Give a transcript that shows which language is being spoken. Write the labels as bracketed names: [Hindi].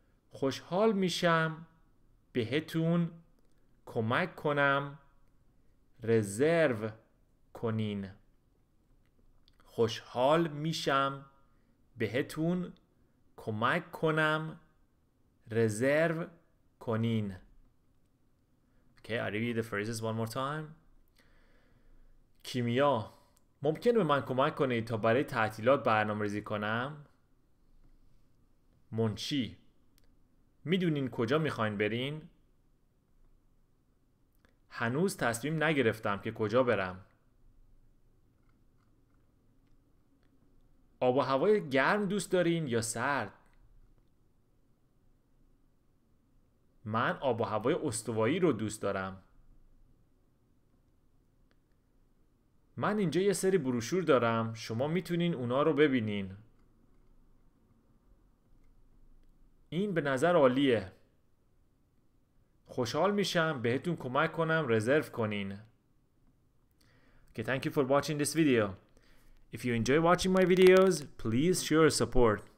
[Persian] خوشحال میشم بهتون کمک کنم رزرو کنین. خوشحال میشم بهتون کمک کنم رزرو کنین. [English] Okay, I'll read the phrases one more time. [Persian] کیمیا ممکنه به من کمک کنید تا برای تعطیلات برنامه ریزی کنم؟ منشی میدونین کجا میخواین برین؟ هنوز تصمیم نگرفتم که کجا برم. آب و هوای گرم دوست دارین یا سرد؟ من آب و هوای استوایی رو دوست دارم. من اینجا یه سری بروشور دارم. شما میتونین اونا رو ببینین. این به نظر عالیه. خوشحال میشم بهتون کمک کنم رزرو کنین. [English] Okay, thank you for watching this video. If you enjoy watching my videos, please show your support.